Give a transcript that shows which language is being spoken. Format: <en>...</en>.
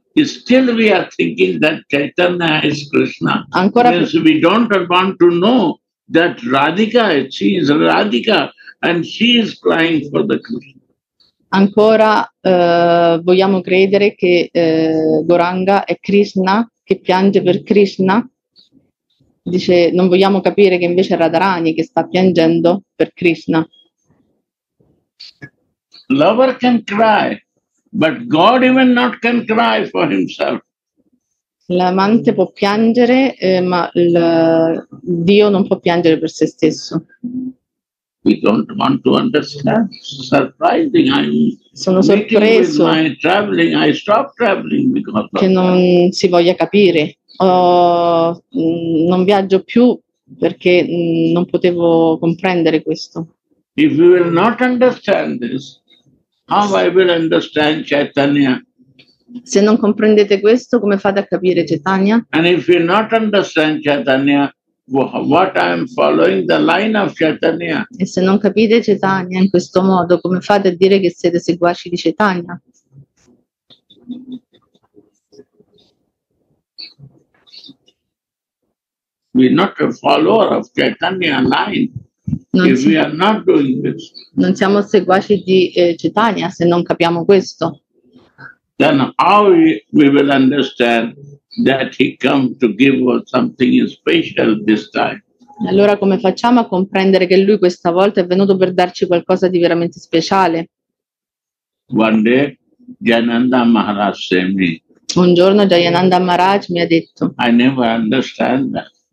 <en>Still we are thinking that Chaitanya is Krishna.</en> <it>Ancora</it> <en>we don't want to know that Radhika, she is Radhika and she is crying for the Krishna.</en> <it>Ancora vogliamo credere che Goranga è Krishna che piange per Krishna. Dice non vogliamo capire che invece è Radharani che sta piangendo per Krishna.</it> <en>Lover can cry, but God even not can cry for himself.</en> <it>L'amante può piangere, ma Dio non può piangere per se stesso.</it> <en>We don't want to understand. Surprising,</en> <it>sono sorpreso.</it> <en>My traveling, I stop traveling because</en> <it>che non si voglia capire. Non viaggio più perché non potevo comprendere questo.</it> <en>If you will not understand this, how I will understand Chaitanya?</en> <it>Se non comprendete questo, come fate a capire Chaitanya?</it> <en>And if you not understand Chaitanya, what I am following the line of Chaitanya?</en> <it>E se non capite Chaitanya in questo modo, come fate a dire che siete seguaci di Chaitanya?</it> <en>We not a follower of Chaitanya line.</en> <it>Non siamo seguaci di Chaitanya se non capiamo questo.</it> <en>Then how we will understand that he come to give us something special this time?</en> <it>Allora come facciamo a comprendere che lui questa volta è venuto per darci qualcosa di veramente speciale?</it> <en>One day, Jayananda Maharaj said me.</en> <it>Un giorno Jayananda Maharaj mi ha detto.</it> <en>I never understand that.</en>